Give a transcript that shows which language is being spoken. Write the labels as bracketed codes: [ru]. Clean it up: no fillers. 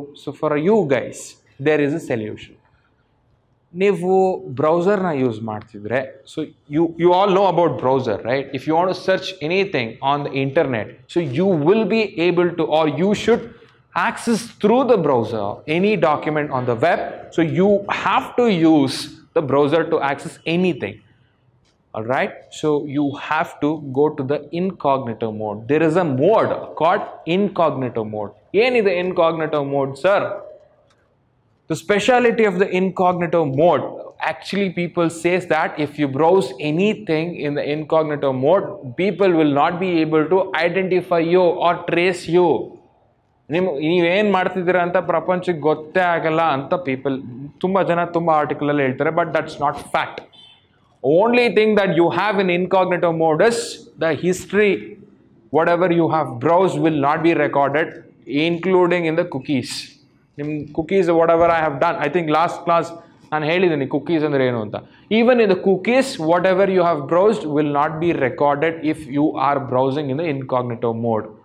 [en] So for you guys there is a solution. [kn] ನೀವು ಬ್ರೌಸರ್ನ use ಮಾಡ್ತಿದ್ರೆ, [en] So you all know about browser, right? If you want to search anything on the internet, so you will be able to, or you should access through the browser any document on the web. So you have to use the browser to access anything. All right, so you have to go to the incognito mode. There is a mode called incognito mode. [kn] Yen idu incognito mode, sir? [en] The speciality of the incognito mode, actually people says that if you browse anything in the incognito mode, people will not be able to identify you or trace you. [kn] ನೀವು ಏನು ಮಾಡ್ತಿದ್ದೀರಾ ಅಂತ ಪ್ರಪಂಚಕ್ಕೆ ಗೊತ್ತೇ ಆಗಲ್ಲ ಅಂತ people ತುಂಬ ಜನ ತುಂಬ ಆರ್ಟಿಕಲ್ ಅಲ್ಲಿ ಹೇಳ್ತಾರೆ, [en] But that's not fact. Only thing that you have in incognito mode is the history, whatever you have browsed will not be recorded, including in the cookies. Cookies, whatever I have done, I think last class [kn] nan helidini cookies andre enu anta. [en] Even in the cookies, whatever you have browsed will not be recorded if you are browsing in the incognito mode.